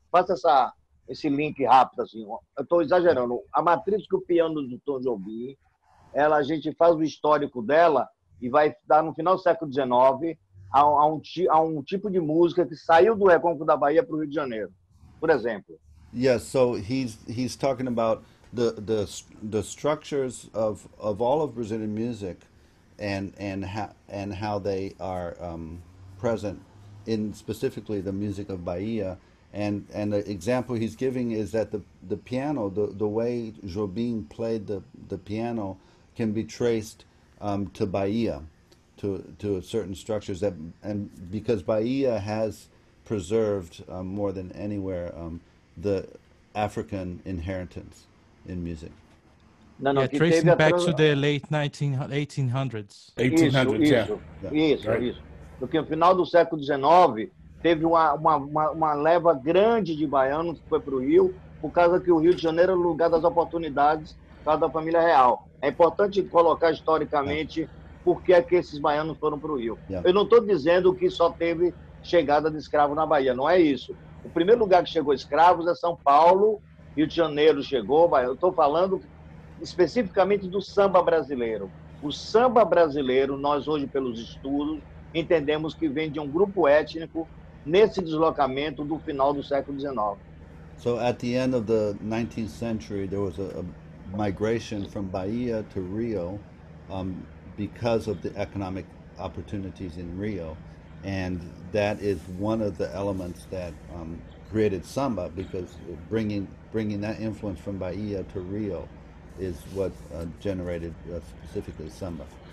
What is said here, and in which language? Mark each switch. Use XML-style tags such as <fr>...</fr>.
<pt>Faça esse link rápido, assim. Eu estou exagerando. A matriz que o piano do Tom Jobim, ela, a gente faz o histórico dela e vai dar no final do século XIX a um tipo de música que saiu do Recôncavo da Bahia para o Rio de Janeiro, por exemplo.</pt> <en>Yes, so he's talking about the structures of all of Brazilian music and how they are present in specifically the music of Bahia, And the example he's giving is that the piano, the way Jobim played the piano can be traced to Bahia, to certain structures that, and because Bahia has preserved more than anywhere the African inheritance in music. No, yeah, tracing back to the late 1800s. 1800s,</en> <pt>Isso. Porque no final do século XIX, teve uma leva grande de baianos que foi para o Rio, por causa que o Rio de Janeiro era o lugar das oportunidades por causa da família real. É importante colocar historicamente por que é que esses baianos foram para o Rio. Yeah. Eu não estou dizendo que só teve chegada de escravos na Bahia, não é isso. O primeiro lugar que chegou escravos é São Paulo, Rio de Janeiro chegou, Bahia. Eu estou falando especificamente do samba brasileiro. O samba brasileiro, nós hoje, pelos estudos, entendemos que vem de um grupo étnico nesse deslocamento do final do século XIX.</pt> <en>So at the end of the 19th century, there was a migration from Bahia to Rio because of the economic opportunities in Rio, and that is one of the elements that created samba, because bringing that influence from Bahia to Rio is what generated specifically samba.</en>